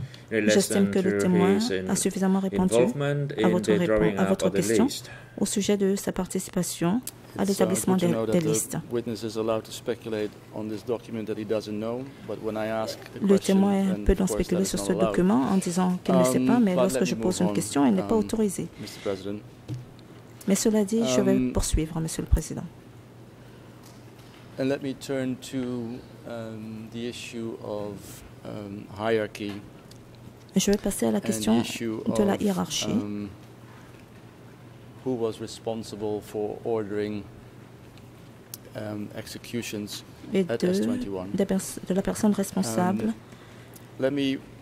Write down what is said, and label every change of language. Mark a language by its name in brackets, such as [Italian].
[French] J'estime que le témoin a suffisamment répondu à votre question au sujet de sa participation à l'établissement des listes. Le témoin peut donc spéculer sur ce document en disant qu'il ne sait pas, mais lorsque je pose une question, il n'est pas autorisé. Mais cela dit, je vais poursuivre, Monsieur le Président. [English] And let me turn to the issue of hierarchy. [French] Je vais passer à la question de la hiérarchie. [English] Who was responsible for ordering executions [French] et [English] at S21? [French] De la personne responsable. [English] Let me